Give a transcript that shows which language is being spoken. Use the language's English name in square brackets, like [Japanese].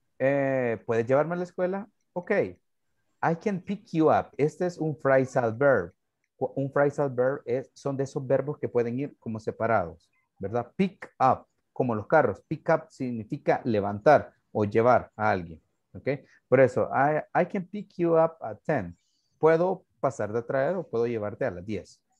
[Spanish] ¿Puedes llevarme a la escuela? [English] Ok, I can pick you up. [Spanish] Este es un phrasal verb. un phrasal verb es, son de esos verbos que pueden ir como separados, ¿verdad? Pick up, como los carros. Pick up significa levantar o llevar a alguien, ¿ok? Por eso, [English] I can pick you up at 10. [Spanish] Puedo pasar de traer o puedo llevarte a las 10.